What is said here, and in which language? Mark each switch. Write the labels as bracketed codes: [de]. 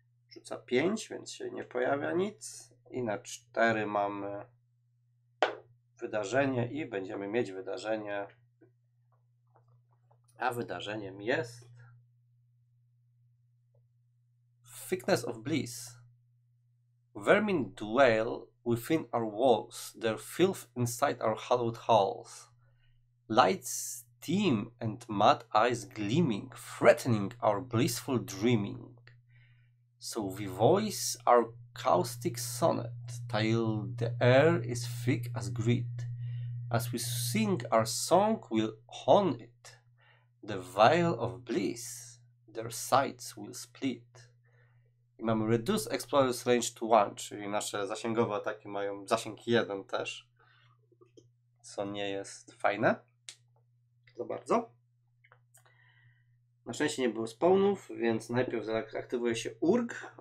[pl] Rzuca 5, więc się nie pojawia nic. I na 4 mamy wydarzenie i będziemy mieć wydarzenie. A wydarzeniem jest Thickness of Bliss. [en] Vermin dwell within our walls, their filth inside our hallowed halls. Lights steam and mad eyes gleaming, threatening our blissful dreaming. So we voice our caustic sonnet, till the air is thick as grit. As we sing our song, we'll hone it. The veil of bliss, their sights will split. [pl] I mamy [en] Reduce Explorer's Range to 1, [pl] czyli nasze zasięgowe ataki mają zasięg 1 też. Co nie jest fajne. Za bardzo. Na szczęście nie było spawnów, więc najpierw aktywuje się Urg.